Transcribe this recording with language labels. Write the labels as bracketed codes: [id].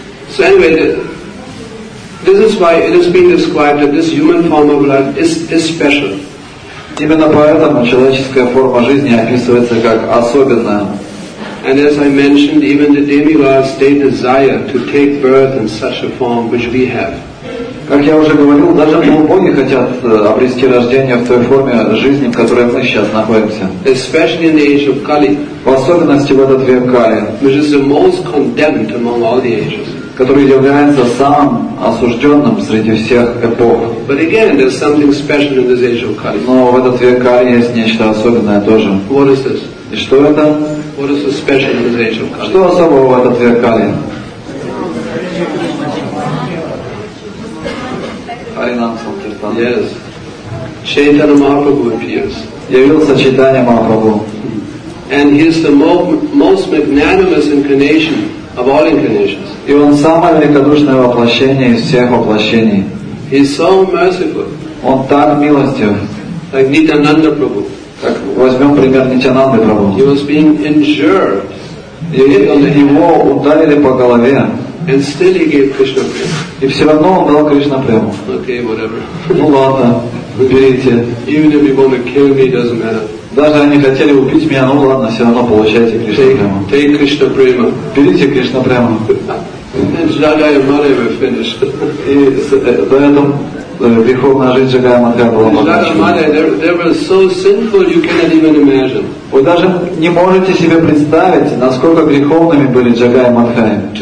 [en] So anyway, this is why it has been described that this human form of life is special. [ru] Именно поэтому человеческая форма жизни описывается как особенная. [en] And as I mentioned, even the demigods, they desire to take birth in such a form which we have. [ru] Как я уже говорил, даже полубоги хотят обрести рождение в той форме жизни, в которой мы сейчас находимся. [en] Especially in the age of Kali. [ru] В особенности в этот век Кали. [en] Which is the most condemned among all the ages. [ru] Который является самым осужденным среди всех эпох. [en] But again, there's something special in this age of Kali. [ru] Но в этот век Кали есть нечто особенное тоже. [en] What is this? [ru] И что это? [en] What is the special in this age of Kali? [ru] Что особого в этот век Кали? Харинам Санкиртан. [en] Yes. Чайтанья Махапрабху appears. [ru] Явился Чайтанья Махапрабху. [en] And he is the most magnanimous incarnation of all incarnations. [ru] И он самое великодушное воплощение из всех воплощений. [en] He is so merciful. [ru] Он так милостив. [en] Like Nityananda Prabhu. [ru] Так возьмем пример Нитянанды Прабху. [en] He was being injured. [ru] Его ударили по голове. [en] And still he gave Krishna prema. [ru] И все равно он дал Кришна прему. [en] Okay, whatever. [ru] Ну ладно, уберите. [en] Even if you want to kill me, doesn't matter. [ru] Даже они хотели убить меня, ну ладно, все равно получайте Кришна прему. [en] Take Krishna prema. [ru] Берите Кришна прему. [en] And Jagaya Madhava were finished. [ru] И поэтому верховная жизнь Джагая Мадхава была покончена. [en] Jagaya Madhava, they were so sinful, you cannot even imagine. [ru] Вы даже не можете себе представить, насколько греховными были Джагай и Мадхай.